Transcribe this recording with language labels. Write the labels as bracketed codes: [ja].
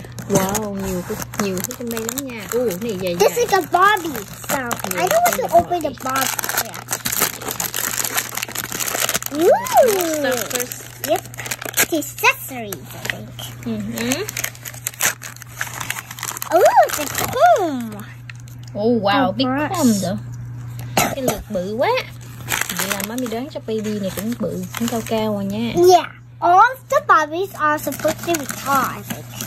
[vi] Wow, nhiều cái trong đây lắm nha. Ooh, này dài. [en] This is a Barbie. So, I don't want to open the Barbie. Yeah. Ooh. Yep. Accessories, I think. Mm-hmm. Ooh, it's a comb. Oh, wow, oh, big comb though. [vi] Cái lược bự quá. Vậy là mommy đoán cho baby này cũng bự, cũng cao cao rồi nha. [en] Yeah. All the Barbies are supposed to be tall, I think.